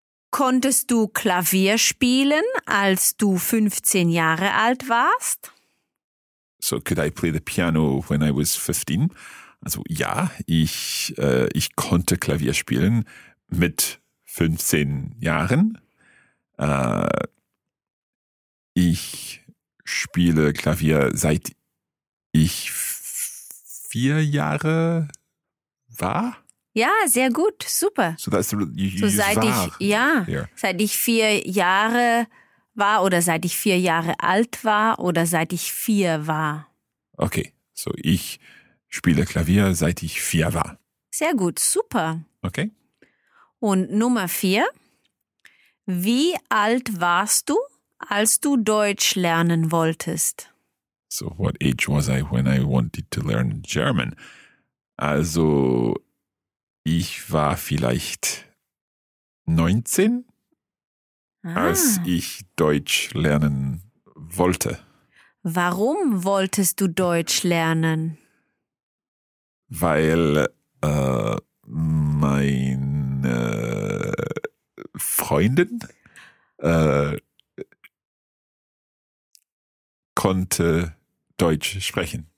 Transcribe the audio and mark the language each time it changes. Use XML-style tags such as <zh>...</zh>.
<de>Konntest du Klavier spielen, als du 15 Jahre alt warst?</de> <en>So, could I play the piano when I was 15?</en> <de>Also, ja, ich konnte Klavier spielen mit 15 Jahren. Ich spiele Klavier seit ich 4 Jahre war. Ja, sehr gut, super.</de> <en>So, that's the, you so</en> <de>seit war ich, ja, here. Seit ich 4 Jahre war oder seit ich 4 Jahre alt war oder seit ich 4 war. Okay, so ich spiele Klavier, seit ich 4 war. Sehr gut, super.</de> <en>Okay.</en> <de>Und Nummer 4. Wie alt warst du, als du Deutsch lernen wolltest?</de> <en>So what age was I when I wanted to learn German?</en> <de>Also ich war vielleicht 19, als ich Deutsch lernen wollte. Warum wolltest du Deutsch lernen? Weil meine Freundin konnte Deutsch sprechen.</de>